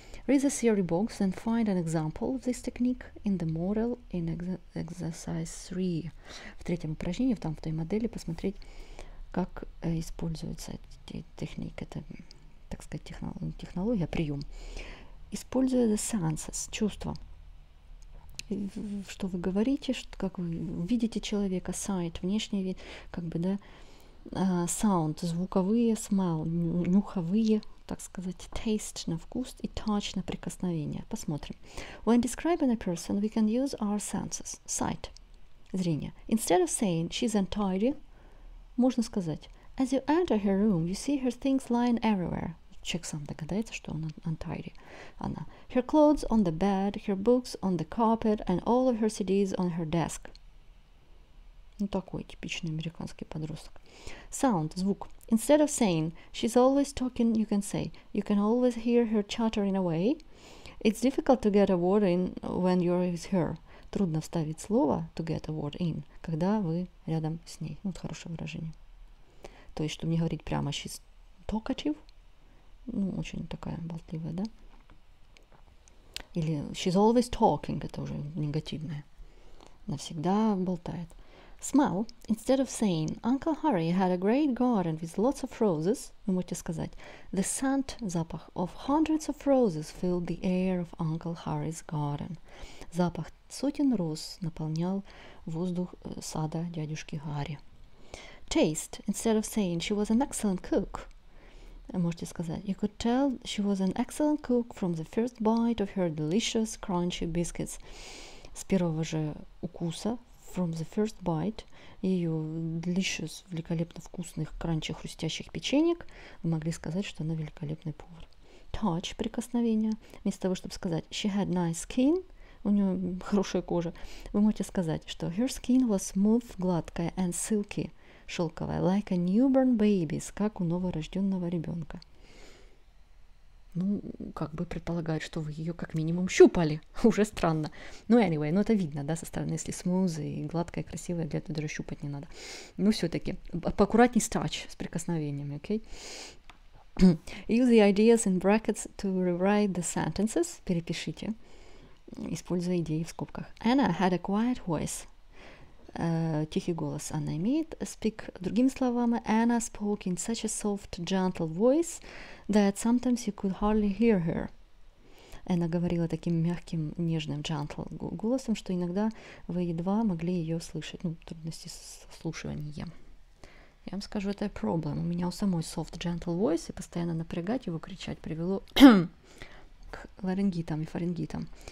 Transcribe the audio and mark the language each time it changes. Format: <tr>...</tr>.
<en>Read the theory box and find an example of this technique in the model in exercise 3.</en> <ru>В третьем упражнении, там, в той модели, посмотреть, как используется техника, это, так сказать, технология, прием. Используя the senses, чувства. Что вы говорите, что, как вы видите человека, sight, внешний вид, как бы, да, sound, звуковые, smell, нюховые, так сказать, taste на вкус и touch на прикосновение. Посмотрим.</ru> <en>When describing a person, we can use our senses, sight,</en> <ru>зрение.</ru> <en>Instead of saying she's untidy,</en> <ru>можно сказать,</ru> <en>as you enter her room, you see her things lying everywhere.</en> <ru>Человек сам догадается, что он untidy. Она.</ru> <en>Her clothes on the bed, her books on the carpet, and all of her CDs on her desk.</en> <ru>Ну, такой типичный американский подросток. Sound, звук.</ru> <en>Instead of saying, she's always talking, you can say, you can always hear her chattering away. It's difficult to get a word in when you're with her.</en> <ru>Трудно вставить слово</ru> <en>to get a word in,</en> <ru>когда вы рядом с ней. Вот хорошее выражение. То есть, чтобы не говорить прямо,</ru> <en>she's talkative.</en> <ru>Ну, очень такая болтливая, да? Или</ru> <en>she's always talking,</en> <ru>это уже негативное. Навсегда болтает. Smell.</ru> <en>Instead of saying, Uncle Harry had a great garden with lots of roses,</en> <ru>вы можете сказать,</ru> <en>the scent,</en> <ru>запах</ru> <en>of hundreds of roses filled the air of Uncle Harry's garden.</en> <ru>Запах сотен роз наполнял воздух сада дядюшки Гарри.</ru> <en>Taste. Instead of saying, she was an excellent cook,</en> <ru>можете сказать,</ru> <en>you could tell she was an excellent cook from the first bite of her delicious crunchy biscuits.</en> <ru>С первого же укуса,</ru> <en>from the first bite,</en> <ru>ее delicious, великолепно вкусных, crunchy, хрустящих печенек, вы могли сказать, что она великолепный повар. Touch, прикосновение, вместо того, чтобы сказать,</ru> <en>she had nice skin,</en> <ru>у нее хорошая кожа, вы можете сказать, что</ru> <en>her skin was smooth,</en> <ru>гладкая and silky, шелковая,</ru> <en>like a newborn baby's,</en> <ru>как у новорожденного ребенка. Ну, как бы предполагают, что вы ее как минимум щупали. Уже странно. Ну, anyway, ну это видно, да, со стороны, если smooth и гладкая, красивая, для этого даже щупать не надо. Ну, все-таки, поаккуратней с touch, с прикосновениями, окей?</ru> <en>Okay? Use the ideas in brackets to rewrite the sentences.</en> <ru>Перепишите, используя идеи в скобках.</ru> <en>Anna had a quiet voice.</en> <ru>Тихий голос она имеет.</ru> <en>Speak,</en> <ru>другими словами,</ru> <en>Anna spoke in such a soft, gentle voice that sometimes you could hardly hear her.</en> <ru>Она говорила таким мягким, нежным, gentle голосом, что иногда вы едва могли ее слышать. Ну, трудности с слушанием. Я вам скажу, это проблем. У меня у самой</ru> <en>soft, gentle voice,</en> <ru>и постоянно напрягать его, кричать, привело к ларингитам и фарингитам.</ru>